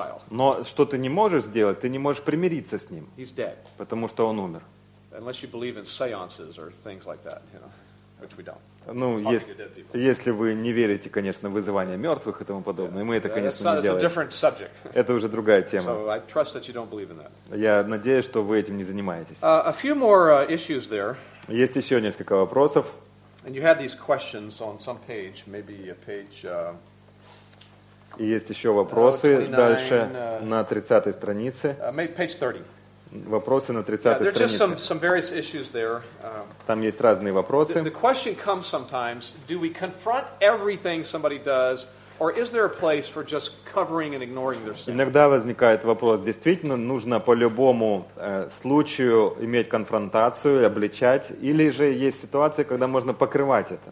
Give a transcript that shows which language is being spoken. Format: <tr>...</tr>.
<ru>Но что ты не можешь сделать, ты не можешь примириться с ним, потому что он умер.</ru> <en>Unless you believe in seances or things like that, you know, which we don't.</en> <ru>Ну, если вы не верите, конечно, в вызывание мертвых и тому подобное, мы это, конечно, не делаем. Это уже другая тема. Я надеюсь, что вы этим не занимаетесь.</ru> <en>A few more issues there.</en> <ru>Есть еще несколько вопросов.</ru> <en>And you had these questions on some page, maybe a page.</en> <ru>И есть еще вопросы дальше на 30-й странице.</ru> <en>Page 30.</en> <ru>Вопросы на 30-й странице.</ru> <en>Some various issues there.</en> <ru>Там есть разные вопросы.</ru> <en>The question comes sometimes, do we confront everything somebody does, or is there a place for just covering and ignoring their sin?</en> <ru>Иногда возникает вопрос, действительно нужно по любому случаю иметь конфронтацию, обличать, или же есть ситуации, когда можно покрывать это?</ru>